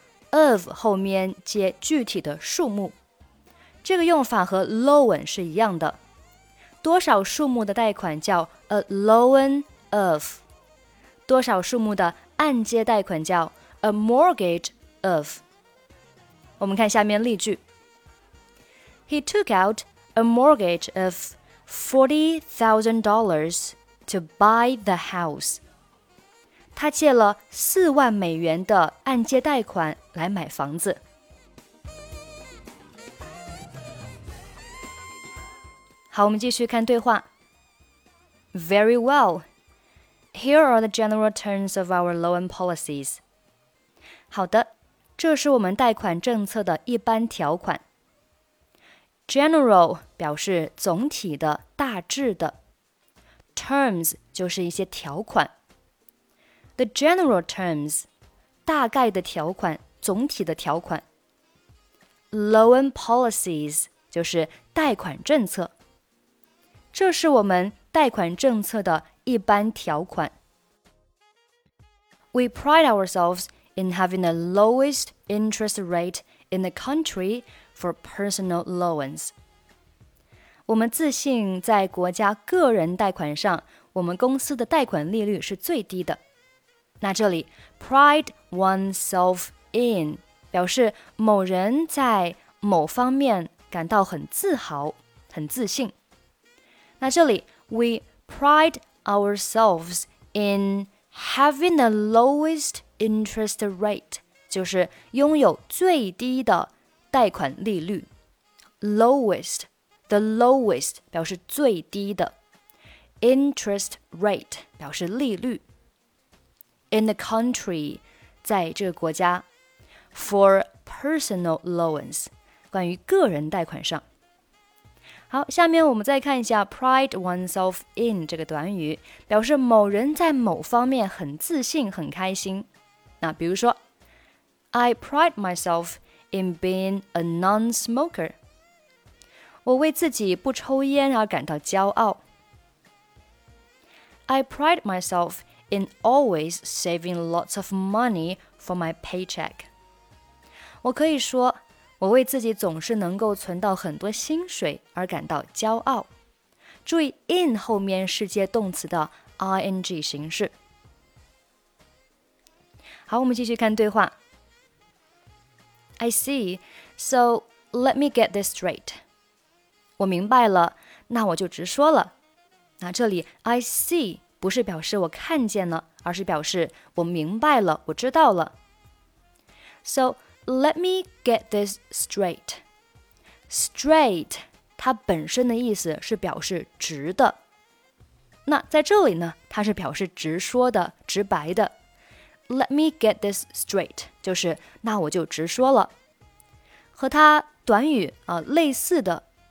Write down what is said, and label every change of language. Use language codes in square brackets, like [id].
[zh] of 后面接具体的数目。这个用法和 loan 是一样的，多少数目的贷款叫 [en] a loan of， [zh] 多少数目的按揭贷款叫 [en] a mortgage of。 [zh] 我们看下面例句。 [en] He took out a mortgage of $40,000 to buy the house。 [zh] 他借了$40,000的按揭贷款来买房子。好，我们继续看对话。 [en] Very well. Here are the general terms of our loan policies. [zh] 好的，这是我们贷款政策的一般条款。 [en] General [zh] 表示总体的、大致的。 [en] Terms [zh] 就是一些条款。 [en] The general terms. [zh] 大概的条款，总体的条款。 [en] Loan policies [zh] 就是贷款政策。这是我们贷款政策的一般条款。 [en] We pride ourselves in having the lowest interest rate in the country for personal loans. [zh] 我们自信在国家个人贷款上，我们公司的贷款利率是最低的。那这里 [en] pride oneself in [zh] 表示某人在某方面感到很自豪、很自信。那这里 [en] we pride ourselves in having the lowest interest rate [zh] 就是拥有最低的贷款利率。 [en] Lowest. The lowest [zh] 表示最低的 [en] Interest rate [zh] 表示利率 [en] In the country [zh] 在这个国家 [en] For personal loans [zh] 关于个人贷款上好下面我们再看一下 [en] Pride oneself in [zh] 这个短语表示某人在某方面很自信很开心那比如说 [en] I pride myself in being a non-smoker [zh] 我为自己不抽烟而感到骄傲。 [en] I pride myself in always saving lots of money for my paycheck. [zh] 我可以说，我为自己总是能够存到很多薪水而感到骄傲。注意 in 后面是接动词的 ing 形式。好，我们继续看对话。 [en] I see. So let me get this straight. [zh] 我明白了，那我就直说了。那这里 [en] I see [zh] 不是表示我看见了，而是表示我明白了，我知道了。 [en] So let me get this straight. [zh] Straight 它本身的意思是表示直的。那在这里呢，它是表示直说的，直白的。 [en] Let me get this straight [zh] 就是那我就直说了。和它短语啊类似的。